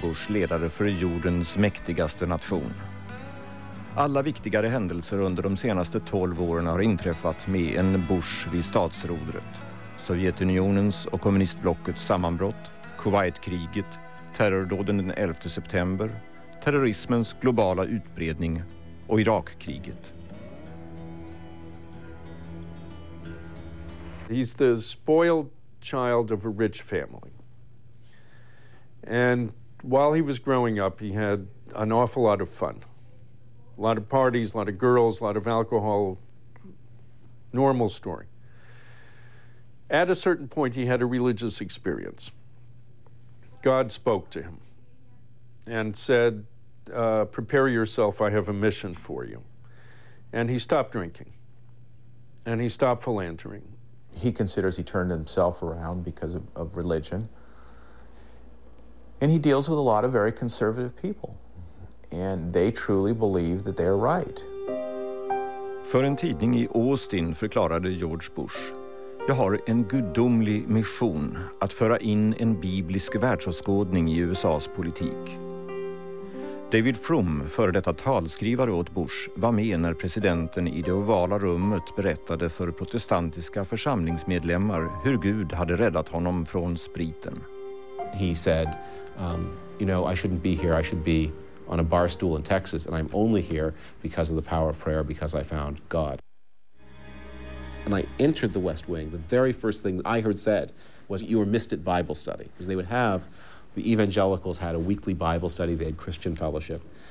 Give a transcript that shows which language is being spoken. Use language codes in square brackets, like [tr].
[sv] Bush ledare för jordens mäktigaste nation. Alla viktigare händelser under de senaste 12 åren har inträffat med en Bush vid statsrodret. Sovjetunionens och kommunistblockets sammanbrott, Kuwaitkriget, terrordåden den 11 september, terrorismens globala utbredning och Irakkriget. [en] He's the spoiled child of a rich family. And while he was growing up, he had an awful lot of fun. A lot of parties, a lot of girls, a lot of alcohol, normal story. At a certain point, he had a religious experience. God spoke to him and said, prepare yourself, I have a mission for you. And he stopped drinking and he stopped philandering. He considers he turned himself around because of religion. And he deals with a lot of very conservative people. And they truly believe that they are right. [sv] För en tidning i Austin förklarade George Bush: jag har en gudomlig mission att föra in en biblisk världsåskådning i USA:s politik. David Frum, före detta talskrivare åt Bush, var med när presidenten i det ovala rummet berättade för protestantiska församlingsmedlemmar hur Gud hade räddat honom från spriten. [en] He said, you know, I shouldn't be here. I should be on a bar stool in Texas, and I'm only here because of the power of prayer, because I found God. When I entered the West Wing, the very first thing that I heard said was, you were missed at Bible study. Because they would have, the evangelicals had a weekly Bible study, they had Christian fellowship.